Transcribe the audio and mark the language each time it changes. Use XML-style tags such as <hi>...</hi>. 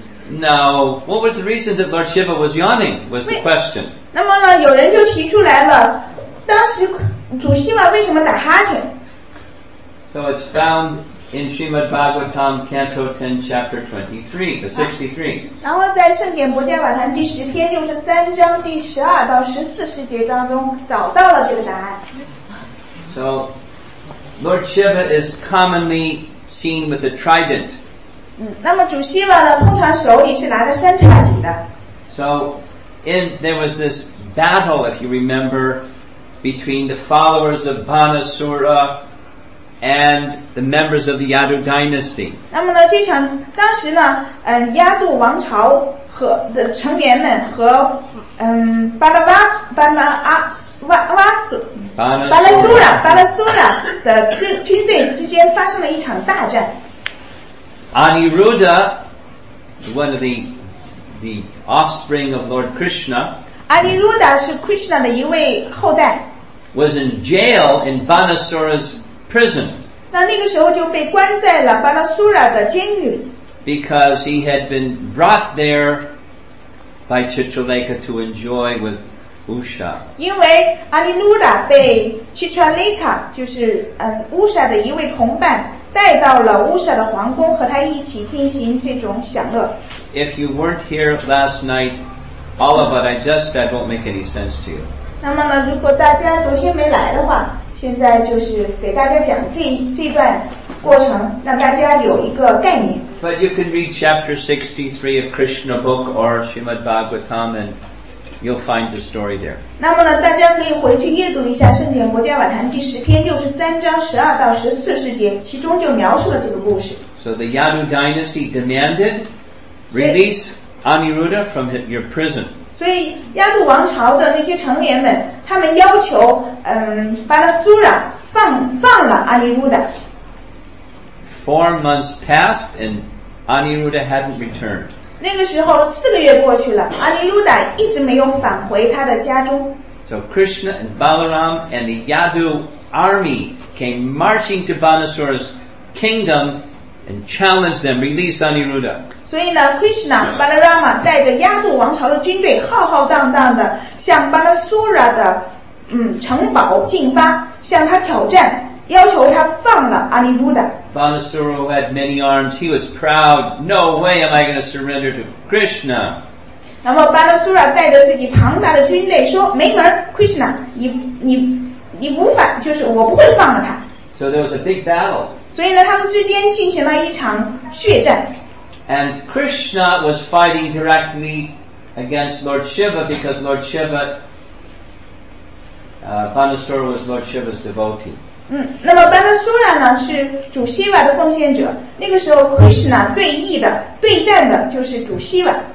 <en>Now, what was the reason that Lord Shiva was yawning was the question</en> <zh>那么呢有人就提出来了当时主希瓦为什么打哈欠</zh> <en>So it's found in Srimad Bhagavatam Canto 10 Chapter 23 So Lord Shiva is commonly seen with a trident</en> <zh>那么主希瓦呢通常手里是拿着三叉戟的</zh> <en>So in, there was this battle if you remember between the followers of Banasura and the members of the Yadu dynasty.</en> <zh>那么呢这场当时呢亚杜王朝和的成员们和巴拉苏拉的军队之间发生了一场大战。</zh> <en>Aniruddha, one of the offspring of Lord Krishna,</en> <zh>Aniruddha 是 Krishna 的一位后代</zh> <en>was in jail in Banasura's prison.</en> <zh>那那个时候就被关在了巴拉苏拉的监狱</zh> <en>because he had been brought there by Chitraleka to enjoy with Usha</en> <zh>因为阿尼努拉被 Chitraleka 就是Usha 的一位同伴带到了 Usha 的皇宫和他一起进行这种享乐</zh> <en>If you weren't here last night all of what I just said won't make any sense to you</en> <zh>那么呢如果大家昨天没来的话现在就是给大家讲 这段过程让大家有一个概念</zh> <en>But you can read chapter 63 of Krishna book or Srimad Bhagavatam and you'll find the story there</en> <zh>那么呢大家可以回去阅读一下圣典国家瓦坛第十篇就是三章十二到十四世节其中就描述了这个故事</zh> <en>So the Yadu dynasty demanded release Aniruddha from your prison</en> <zh>所以亚杜王朝的那些成员们他们要求巴拉苏拉放了阿尼鲁达</zh> <en>4 months passed and 阿尼鲁达 hadn't returned</en> <zh>那个时候四个月过去了阿尼鲁达一直没有返回他的家中</zh> <en>So Krishna and Balaram and the Yadu army came marching to Banasura's kingdom and challenged them release 阿尼鲁达</en> <zh>所以呢 Krishna Balarama 带着亚杜王朝的军队浩浩荡荡的向巴拉苏拉的城堡进发向他挑战要求他放了阿尼鲁达</zh> <en>Banasura had many arms he was proud no way am I going to surrender to Krishna</en> <zh>那么巴拉苏拉带着自己庞大的军队说没门 Krishna 你无法就是我不会放了他</zh> <en>so there was a big battle</en> <zh>所以呢他们之间进行了一场血战</zh> <en>and Krishna was fighting directly against Lord Shiva because Lord ShivaBanasura was Lord Shiva's devotee.</en> <zh>那么 Banasura 呢是主希瓦的奉献者。那个时候 Krishna 对弈的、对战的就是主希瓦。</zh>